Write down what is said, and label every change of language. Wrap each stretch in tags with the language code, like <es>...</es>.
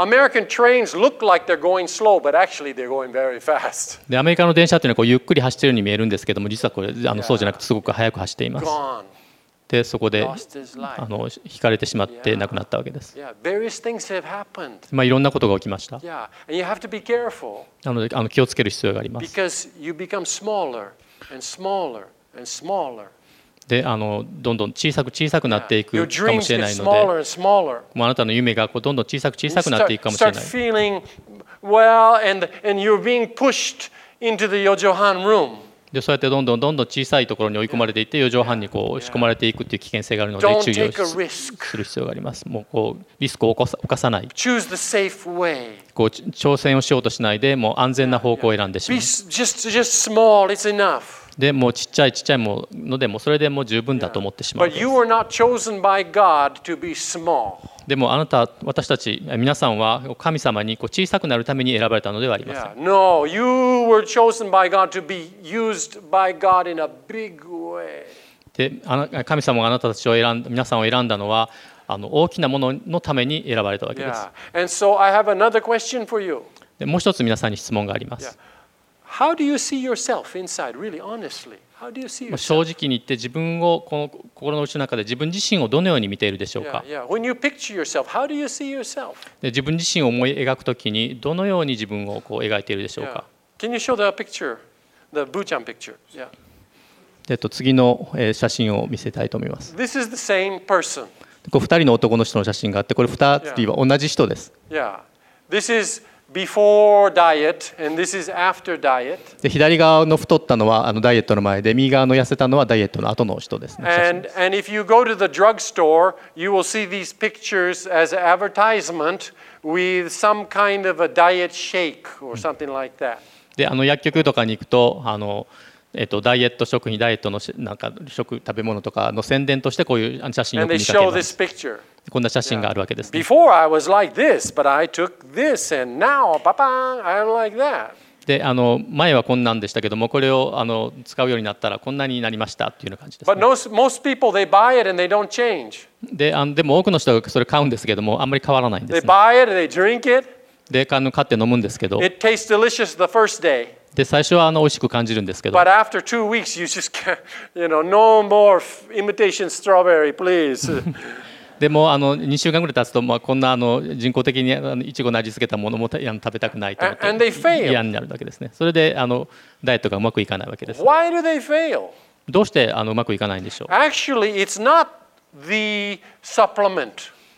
<ja>アメリカの電車というのはゆっくり走っているように見えるんですけども実はこれそうじゃなくてすごく速く走っています。でそこで引かれてしまって亡くなったわけです。まあ、いろんなことが起きました。なので気をつける必要があります。</ja> <en>Because you become smaller and smaller and smaller</en> <ja>でどんどん小さくなっていくかもしれないので、</ja> <en>yeah. smaller smaller.</en> <ja>もうあなたの夢がこうどんどん小さくなっていくかもしれない。</ja> <en>Start feeling well, and you're being pushed into the Yojohan room.</en> <ja>でそうやってどんどん小さいところに追い込まれていって、</ja> <en>yeah.</en> <ja>四畳半にこう押し込まれていくっていう危険性があるので、</ja> <en>yeah.</en> <ja>注意をする必要があります。もうこうリスクを犯さない。</ja> <en>Choose the safe way.</en> <ja>こう挑戦をしようとしないで、もう安全な方向を選んでしまう。</ja> <en>Yeah. Just small. It's enough.</en> <ja>でもちっちゃいちっちゃいのでもそれでもう十分だと思ってしまうんです。でもあなた私たち皆さんは神様にこう小さくなるために選ばれたのではありません。</ja> <en>No, you were chosen by God to be used by God in a big way.</en> <ja>で神様があなたたちを選んだ皆さんを選んだのは大きなもののために選ばれたわけです。</ja> <en>Yeah. And so I have another question for you.</en> <ja>でもう一つ皆さんに質問があります。</ja> <en>Yeah. How do you see yourself inside? Really, honestly, how do you see yourself?</en> <ja>正直に言って自分をこの心の内の中で自分自身をどのように見ているでしょうか。</ja> <en>Yeah, yeah. When you picture yourself, how do you see yourself?</en> <ja>自分自身を思い描くときにどのように自分をこう描いているでしょうか。</ja> <en>Yeah. Can you show the picture, the Bu-chan picture? Yeah.</en> <ja>次の写真を見せたいと思います。</ja> <en>This is the same person.</en> <ja>こう2人の男の人の写真があって、これ2人は同じ人です。</ja> <en>Yeah. This is. Before diet, and this is after diet.</en> <ja>で左側の太ったのはダイエットの前で、右側の痩せたのはダイエットの後の人ですね。</ja> <en>And if you go to the drugstore, you will see these pictures as advertisement with some kind of a diet shake or something like that.</en> <ja>で、あの薬局とかに行くと、あのダイエット食品、ダイエットのなんか食食べ物とかの宣伝としてこういう写真を見かけます。</ja> <en>And they show this picture.</en> <ja>こんな写真があるわけですね。</ja> <en>Before I was like this, but I took this, and now, ba-bang, I'm like that.</en> <ja>で、あの前はこんなんでしたけども、これをあの使うようになったらこんなになりましたっていうような感じです、</ja> <en>But most people they buy it and they don't change.</en> <ja>で、あのでも多くの人がそれ買うんですけども、あんまり変わらないんですね。</ja> <en>They buy it, they drink it.</en> <ja>で、あの買って飲むんですけど。</ja> <en>It tastes delicious the first day.</en> <ja>で最初はあの美味しく感じるんですけど、</ja> <en>But after 2 weeks you just can't, you know, no more imitation strawberry, please.</en> <ja>でもあの2週間ぐらい経つと、まあこんなあの人工的にあのいちごの味付けたものも食べたくないと思って嫌になるわけですね。それであのダイエットがうまくいかないわけです。</ja> <en>Why do they fail?</en> <ja>どうしてあのうまくいかないんでしょう。</ja> <en>Actually, it's not the supplement.</en>